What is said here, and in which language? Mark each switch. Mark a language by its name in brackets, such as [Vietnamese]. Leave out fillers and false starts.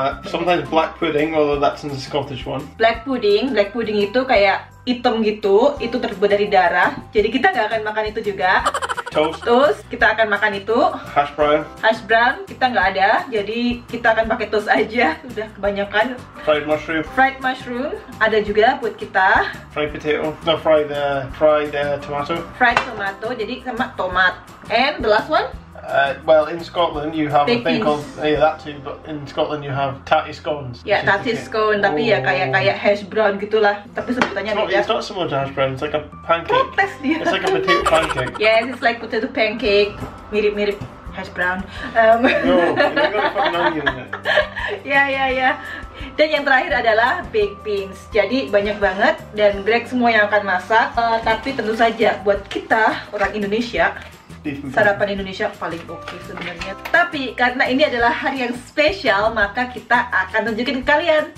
[English] Sometimes black pudding, although that's in the Scottish one. [Indonesian] Black pudding itu kayak hitam gitu, itu terbuat dari darah. Jadi kita nggak akan makan itu juga. [English] Toast, [Indonesian] kita akan makan itu. [English] Hash brown, [Indonesian] kita nggak ada, jadi kita akan pakai toast aja, udah kebanyakan. [English] Fried mushroom, [Indonesian] ada juga buat kita. [English] Fried tomato. Fried tomato, [Indonesian] jadi sama tomat. [English] And the last one? Well, in Scotland you have a thing called, yeah, that too, but in Scotland you have tatty scones. [Indonesian] Yeah, tatty scone, tapi ya kayak hash brown gitulah. Tapi sebutannya beda. [English] It's not similar to hash brown, it's like a pancake. [Indonesian] Protest dia. [English] It's like a potato pancake. Yes, it's like potato pancake, [Indonesian] mirip-mirip hash brown. [English] No, you've got a fucking onion in it. Yeah. [Indonesian] Dan yang terakhir adalah baked beans. Jadi banyak banget, dan Greg semua yang akan masak. Tapi tentu saja buat kita, orang Indonesia, sarapan Indonesia paling oke sebenarnya. Tapi karena ini adalah hari yang spesial, maka kita akan tunjukin ke kalian.